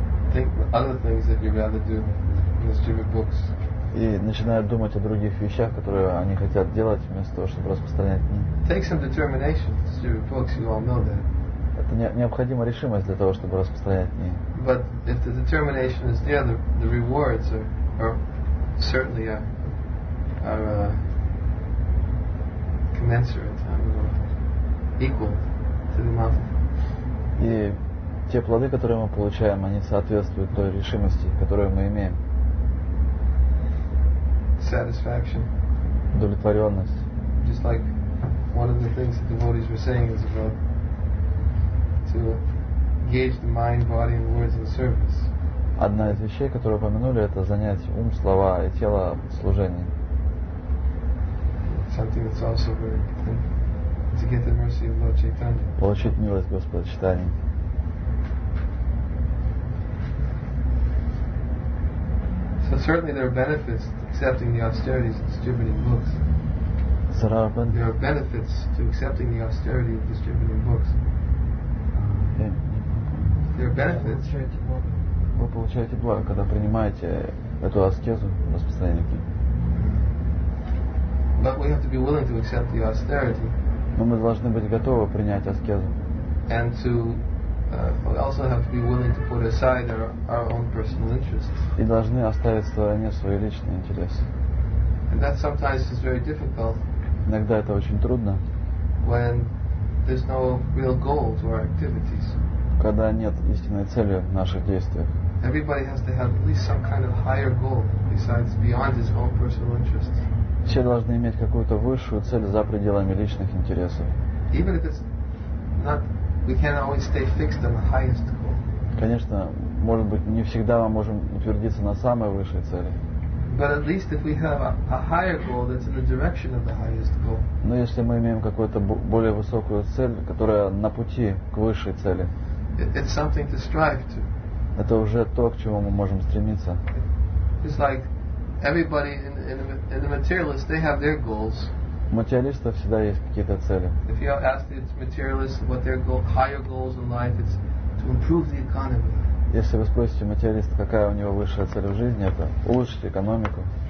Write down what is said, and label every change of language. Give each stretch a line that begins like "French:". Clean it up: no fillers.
English: Think other things that you'd rather do than distribute books.
Russian: И начинают думать о других вещах, которые они хотят делать вместо того, чтобы распространять книги.
English: Take some determination to distribute books. You all know that.
Russian: Это необходима решимость для того, чтобы распространять книги.
English: But if the determination is there, the rewards are certainly commensurate, equal to the amount.
Russian: И те плоды, которые мы получаем, они соответствуют той решимости, которую мы имеем.
English: Satisfaction.
Russian: Удовлетворенность.
English: Just like one of the things that devotees were saying is about to engage the mind, body, and words in service.
Russian: Одна из вещей, которую упомянули, это занять ум, слова и тело служением.
English: Something that's also very important. To get the mercy of Lord Chaitanya.
Russian: Получить милость Господа Чайтаньи.
English: So certainly there are benefits to accepting the austerities of distributing books. There are benefits to accepting the austerity of distributing books. There are benefits.
Russian: Вы получаете благо, когда принимаете эту аскезу распространения книг.
English: But we have to be willing to accept the austerity.
Russian: Но мы должны быть готовы принять аскезу.
English: And to we also have to be willing to put aside our own personal interests.
Russian: И должны оставить в стороне свои личные интересы.
English: And that sometimes is very difficult.
Russian: Иногда это очень трудно.
English: When there's no real goal to our activities.
Russian: Когда нет истинной цели в наших действиях.
English: Everybody has to have at least some kind of higher goal besides beyond his own personal interests.
Russian: Все должны иметь какую-то высшую цель за пределами личных интересов.
English: Even if it's not. We can't always stay fixed on the highest goal.
Russian: Конечно, может быть, не всегда мы можем утвердиться на самой высшей цели.
English: But at least if we have a higher goal that's in the direction of the highest goal.
Russian: Но если мы имеем какую-то более высокую цель, которая на пути к высшей цели.
English: It's something to strive to.
Russian: Это уже то, к чему мы можем стремиться.
English: It's like everybody in the materialists, they have their goals.
Russian: У материалистов всегда есть какие-то цели.
English: If you ask the materialists what their higher goals in life, it's to improve the economy.
Russian: Если вы спросите материалиста, какая у него высшая цель в жизни, это улучшить экономику.